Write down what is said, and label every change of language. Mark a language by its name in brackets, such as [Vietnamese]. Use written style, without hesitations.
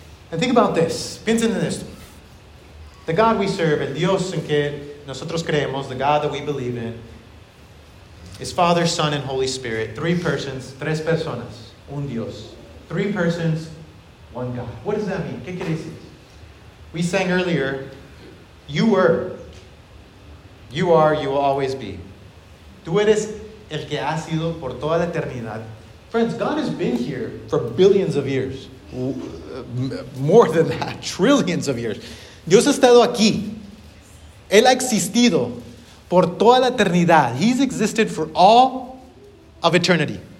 [English] And think about this. [Spanish] Piensen en esto. [English] The God we serve, [Spanish] el Dios en que nosotros creemos, [English] the God that we believe in, is Father, Son, and Holy Spirit. Three persons, [Spanish] tres personas, un Dios. [English] Three persons, one God. What does that mean? [Spanish] ¿Qué quiere decir? [English] We sang earlier, you were, you are, you will always be. [Spanish] Tú eres el que ha sido por toda la eternidad. [English] Friends, God has been here for billions of years. More than that, trillions of years. [Spanish] Dios ha estado aquí. Él ha existido. Por toda la eternidad. [English] He's existed for all of eternity.